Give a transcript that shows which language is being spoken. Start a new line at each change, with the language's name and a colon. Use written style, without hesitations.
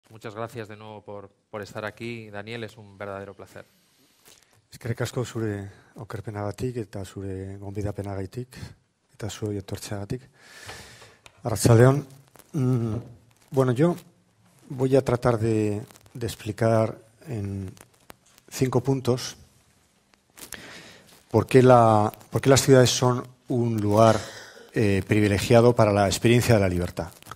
Spanish: Muchas gracias de nuevo por estar aquí, Daniel, es un verdadero placer.
Basque: Eskerrik asko zure okerpenagatik eta zure gonbidapenagatik eta zure etortzeagatik. Arratsaldeon.
Spanish: Bueno, yo voy a tratar de explicar en 5 puntos por qué las ciudades son un lugar privilegiado para la experiencia de la libertad.